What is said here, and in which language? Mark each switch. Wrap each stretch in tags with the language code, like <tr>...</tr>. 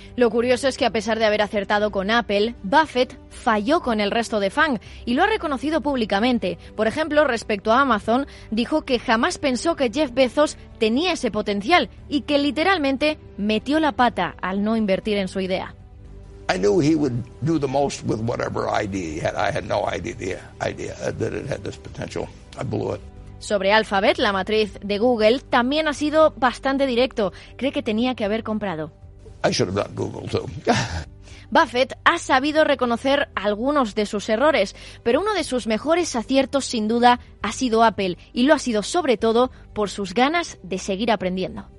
<es>Lo curioso es que a pesar de haber acertado con Apple, Buffett falló con el resto de Fang y lo ha reconocido públicamente. Por ejemplo, respecto a Amazon, dijo que jamás pensó que Jeff Bezos tenía ese potencial y que literalmente metió la pata al no invertir en su idea.</es> <en>I knew he would do the most with whatever idea he had. I had no idea that it had this potential. I blew it.</en> <es>sobre Alphabet, la matriz de Google, también ha sido bastante directo. Cree que tenía que haber comprado.</es> <en>I should have got Google too.</en> <es>Buffett ha sabido reconocer algunos de sus errores, pero uno de sus mejores aciertos, sin duda, ha sido Apple, y lo ha sido sobre todo por sus ganas de seguir aprendiendo.</es>